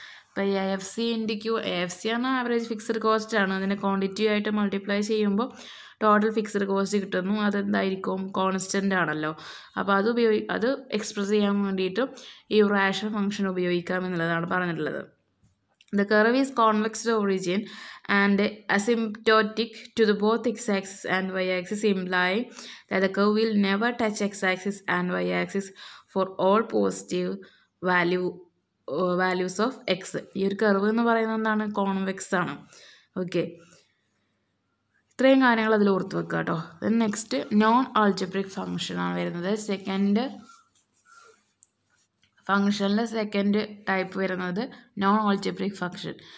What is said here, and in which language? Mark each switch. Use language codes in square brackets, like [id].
[ml] ഇപ്പോൾ ഈ F C into Q, F C ആണ് ആവറേജ് ഫിക്സഡ് കോസ്റ്റ് ആണ്, അതിൻ്റെ ക്വാണ്ടിറ്റി ആയിട്ട് മൾട്ടിപ്ലൈ ചെയ്യുമ്പോൾ ടോട്ടൽ ഫിക്സഡ് കോസ്റ്റ് കിട്ടുന്നു, അതെന്തായിരിക്കും, കോൺസ്റ്റൻ്റ് ആണല്ലോ. അപ്പോൾ അത് അത് എക്സ്പ്രസ് ചെയ്യാൻ വേണ്ടിയിട്ട് ഈ റാഷണൽ ഫംഗ്ഷൻ ഉപയോഗിക്കാം എന്നുള്ളതാണ് പറഞ്ഞിട്ടുള്ളത്. [en] The curve is convex to origin and asymptotic to the both x-axis and y-axis, implying that the curve will never touch x-axis and y-axis for all positive values of x. [ml] ഈ ഒരു curve എന്ന് പറയുന്നത് എന്താണ്, convex ആണ്. Okay, ഇത്രയും കാര്യങ്ങൾ അതിൽ ഓർത്ത് വെക്കുക കേട്ടോ. Then next non algebraic function ആണ് വരുന്നത്. സെക്കൻഡ് ഫംഗ്ഷനിലെ സെക്കൻഡ് ടൈപ്പ് വരുന്നത് നോൺ ആൾജബ്രിക് ഫംഗ്ഷൻ.